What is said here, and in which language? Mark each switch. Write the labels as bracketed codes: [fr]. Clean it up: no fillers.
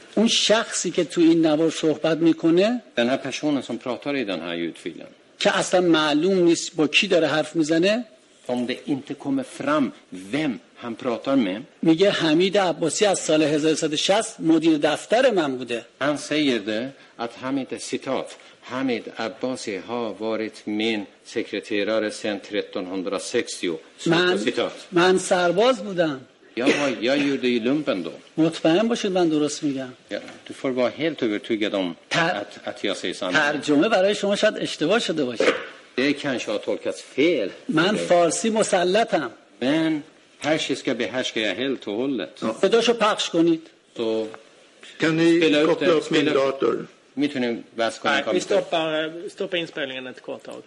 [fa] اون شخصی که تو این نوار صحبت می کنه. [sv] Den här personen som pratar i den här ljudfilen. [fa] که اصلا معلوم نیست با کی داره حرف میزنه. [sv] Om det inte kommer fram vem han pratar med. [fa] میگه حمید عباسی از سال 1360 مدیر دفتر من بوده. [sv] Han säger det att Hamid citat. Hamid Abbasi har varit min sekreterare sedan 1360. [fa] من سرباز بودم. [sv] Jag gjorde i lumpen då. [fa] مطمئن باشید من درست میگم. [sv] Du får vara helt övertygad om att jag säger sanning. [fa] ترجمه برای شما شاید اشتباه شده باشه. [sv] Det kanske har tolkats fel. [fa] من فارسی مسلطم. [sv] Men persiska behärskar jag helt och hållet. [fa] صداشو پخش کنید. [sv] Så kan ni koppla upp min dator. Mitt nu vad ska jag komma? Stoppa inspelningen ett kort tag.